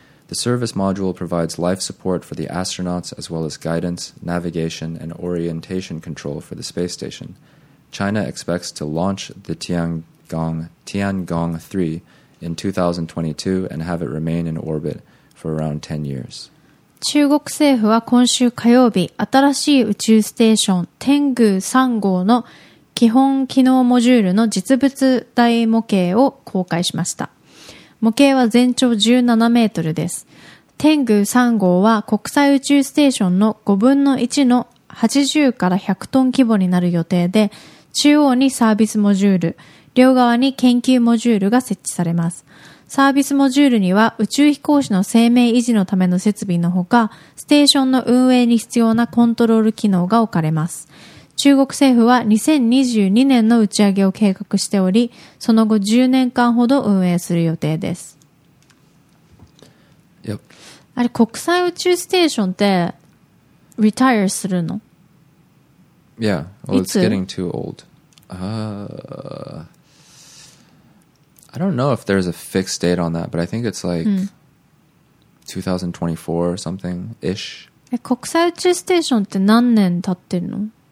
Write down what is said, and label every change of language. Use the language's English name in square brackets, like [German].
[English] The service module provides life support for the astronauts as well as guidance, navigation, and orientation control for the space station. China expects to launch the Tiangong 3 in 2022 and have it remain in orbit for around 10 years. [Japanese] 中国政府は今週火曜日、新しい宇宙ステーション、天宮3号の基本機能モジュールの実物大模型を公開しました。模型は全長17メートルです。天宮3号は国際宇宙ステーションの5分の1の80から100トン規模になる予定で、中央にサービスモジュール、両側に研究モジュールが設置されます。サービスモジュールには宇宙飛行士の生命維持のための設備のほか、ステーションの運営に必要なコントロール機能が置かれます。中国政府は2022年の打ち上げを計画しており、その後10年間ほど運営する予定です。 [English] Yep. [Japanese] あれ、国際宇宙ステーションって、リタイアするの [English] ?Yeah, well, it's getting too old. I don't know if there's a fixed date on that, but I think it's like 2024 or something-ish. [Japanese] 国際宇宙ステーションって何年経ってるの?